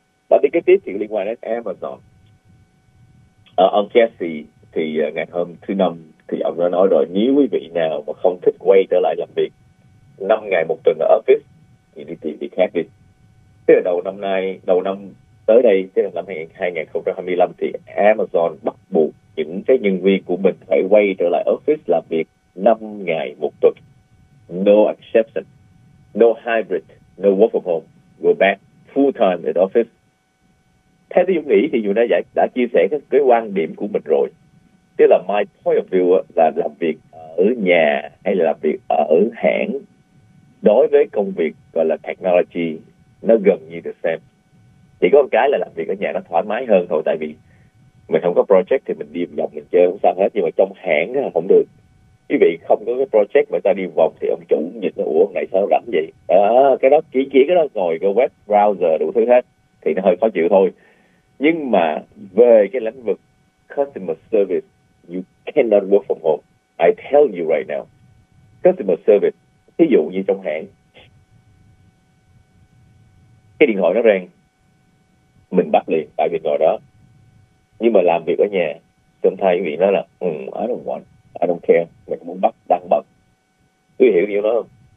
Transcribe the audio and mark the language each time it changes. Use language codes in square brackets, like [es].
[vi] Và đi cái tiếp thì liên quan đến Amazon. Ông Jesse thì ngày hôm thứ năm thì ông đã nói rồi, nếu quý vị nào mà không thích quay trở lại làm việc 5 ngày một tuần ở office thì đi tìm việc khác đi. Tức là đầu năm tới đây, tức là năm 2025, thì Amazon bắt buộc những cái nhân viên của mình phải quay trở lại office làm việc 5 ngày một tuần. [en] No exception, no hybrid, no work from home, go back full time at office. [vi] Thế thì ông nghĩ thì dù đã chia sẻ cái quan điểm của mình rồi, tức là [en] my point of view [vi] là làm việc ở nhà hay là làm việc ở hãng, đối với công việc gọi là technology, nó gần như [en] the same. [vi] Chỉ có một cái là làm việc ở nhà nó thoải mái hơn thôi, tại vì mình không có project thì mình đi vòng mình chơi không sao hết, nhưng mà trong hãng là không được. Quý vị không có cái project mà ta đi vòng thì ông chủ nhìn nó, ủa ngày sao rảnh vậy? Cái đó chỉ cái đó ngồi cái web browser đủ thứ hết thì nó hơi khó chịu thôi. Nhưng mà về cái lĩnh vực [en] customer service, you cannot work from home. I tell you right now. [vi] Customer service, ví dụ như trong hãng, cái điện thoại nó rang, mình bắt liền tại việc ngồi đó. Nhưng mà làm việc ở nhà, trong thay vì nó là [en] I don't care, [vi] mày muốn bắt đang bận. Tôi hiểu điều đó không?